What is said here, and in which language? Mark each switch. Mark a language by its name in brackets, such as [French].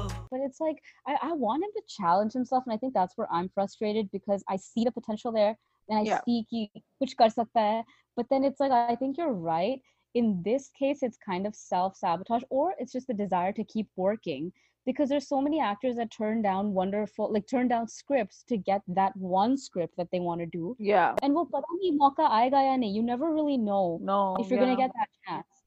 [English] But it's like, I want him to challenge himself. And I think that's where I'm frustrated, because I see the potential there. And I see [Hindi] कि कुछ कर सकता है. [English] But then it's like, I think you're right. In this case, it's kind of self-sabotage, or it's just the desire to keep working, because there's so many actors that turn down turn down scripts to get that one script that they want to do. Yeah. And [Hindi] पता नहीं मौका आएगा या नहीं. [English] You never really know if you're going to get that chance.